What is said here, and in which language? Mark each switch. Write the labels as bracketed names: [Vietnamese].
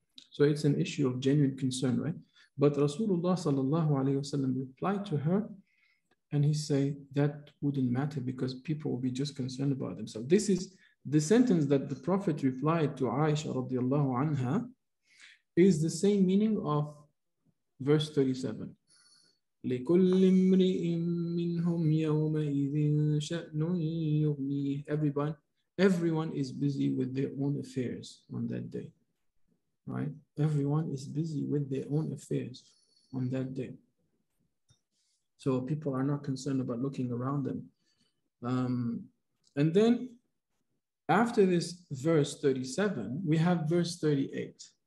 [English] So it's an issue of genuine concern, right? But Rasulullah sallallahu alayhi wasallam replied to her, and he say that wouldn't matter because people will be just concerned about themselves. This is the sentence that the Prophet replied to Aisha radiallahu anha, is the same meaning of verse 37. [Arabic] لكل امرئ منهم يومئذ شأن يغنيه. [English] Everyone is busy with their own affairs on that day. Right? Everyone is busy with their own affairs on that day. So people are not concerned about looking around them. And then after this verse 37, we have verse 38.